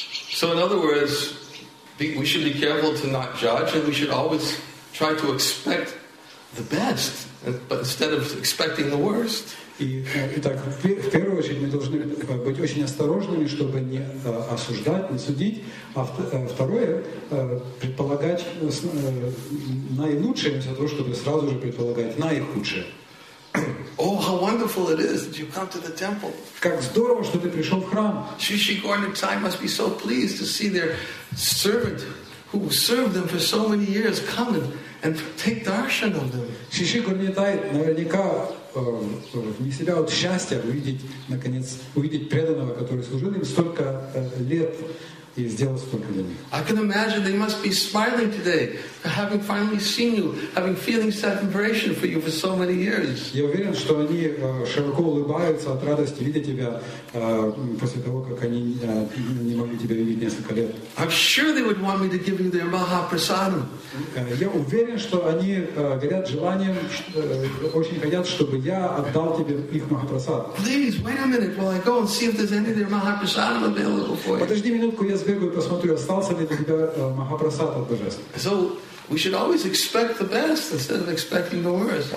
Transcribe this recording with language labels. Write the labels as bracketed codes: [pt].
[en] So in other words, we should be careful to not judge, and we should always try to expect the best, but instead of expecting the worst. [ru] Итак, в первую очередь мы должны быть очень осторожными, чтобы не осуждать, не судить. А второе, предполагать наилучшее, вместо того, чтобы сразу же предполагать наихудшее. [en] Oh, how wonderful it is that you come to the temple. [ru] Как здорово, что ты пришел в храм. [en] Shishi Gorna Thai must be so pleased to see their servant who served them for so many years come and take darshan of them. [ru] Shishi Gorna Thai наверняка вне себя от счастья увидеть, наконец, увидеть преданного, который служил им столько лет и сделал столько для них. [en] I can imagine they must be smiling today for having finally seen you, having feeling separation for you for so many years. [ru] Я уверен, что они широко улыбаются от радости видеть тебя после того, как они не могли тебя видеть несколько лет. [en] I'm sure they would want me to give you their maha prasadam. [ru] Я уверен, что они горят желанием, очень хотят, чтобы я отдал тебе их махапрасад. [en] Please, wait a minute while I go and see if there's any of their махапрасад available for you. [ru] Подожди минутку, я сбегаю и посмотрю, остался ли тебе махапрасад от Божества. [en] So, we should always expect the best instead of expecting the worst.